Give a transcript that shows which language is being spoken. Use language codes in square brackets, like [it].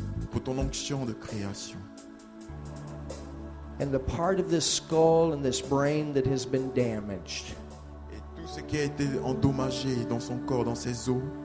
[fr] Pour ton onction de création. [en] And the part of this skull and this brain that has been damaged. [fr] Et tout ce qui a été endommagé dans son corps, dans ses os.